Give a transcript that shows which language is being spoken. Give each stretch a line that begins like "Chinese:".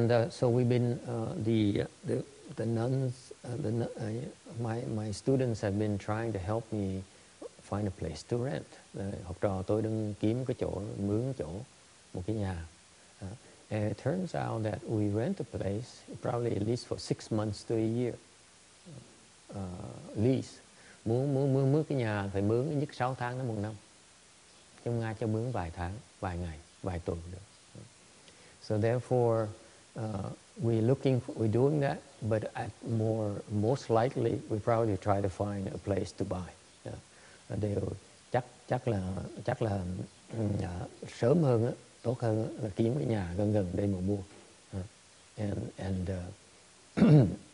English: So we've been the nuns, my students have been trying to help me find a place to rent.
Vietnamese: Học trò tôi đang kiếm cái chỗ mướn chỗ một cái nhà.
English: And it turns out that we rent a place probably at least for 6 months to a year.
Vietnamese: Lease. Mướn cái nhà phải mướn nhất 6 tháng đến 1 năm. trong Nga cho mướn vài tháng, vài ngày, vài tuần được.
English: So therefore, we're doing that, but at most likely, we probably try to find a place to buy. Yeah.
Vietnamese: Đều chắc là sớm hơn á, tốt hơn là kiếm cái nhà gần gần đây mà mua.